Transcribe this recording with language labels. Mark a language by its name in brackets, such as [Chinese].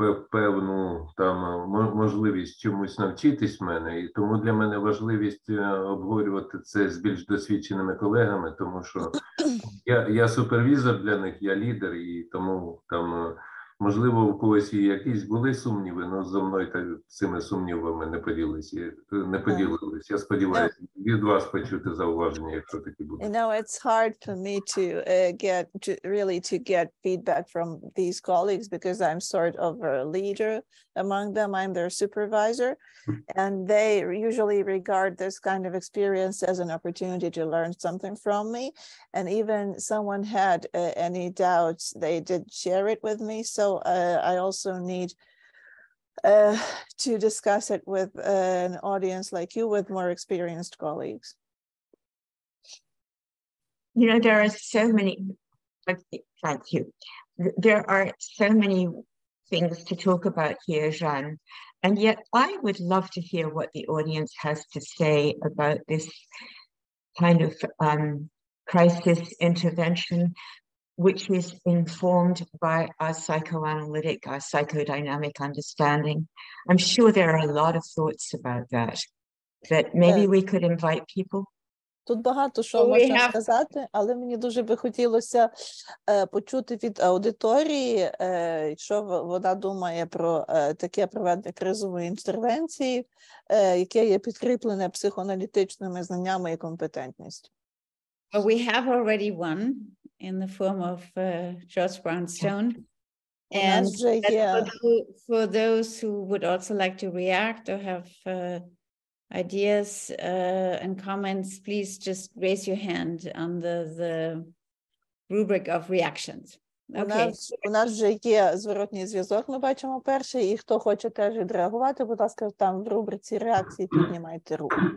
[Ukrainian] певну там можливість чомусь навчитись мене, і тому для мене важливість обговорювати це з більш досвідченими колегами, тому що я супервізор для них, я лідер, і тому там можливо, у когось якісь були сумніви, але зі мною та цими сумнівами не поділились. Я сподіваюся, від вас почути зауваження, якщо такі будуть. [English] You know, it's hard for me to get feedback from these colleagues because I'm sort of a leader among them. I'm their supervisor, and they usually regard this kind of experience as an opportunity to learn something from me. And even someone had any doubts, they did share it with me. So I also need to discuss it with an audience like you, with more experienced colleagues. You know, there are so many, thank you. There are so many things to talk about here, Jeanne. And yet I would love to hear what the audience has to say about this kind of crisis intervention, which is informed by our psychoanalytic, our psychodynamic understanding. I'm sure there are a lot of thoughts about that, that maybe we could invite people. [Ukrainian] Тут багато що можна сказати, але мені дуже би хотілося почути від аудиторії, що вона думає про таке проведення кризової інтервенції, яке є підкріплене психоаналітичними знаннями і компетентністю. [English] Well, we have already one in the form of Josh Brownstone. And for those who would also like to react or have ideas and comments, please just raise your hand on the rubric of reactions. Okay. [Ukrainian] У нас вже є зворотній зв'язок, ми бачимо перший, і хто хоче теж відреагувати, будь ласка, там в рубриці реакції піднімайте руку.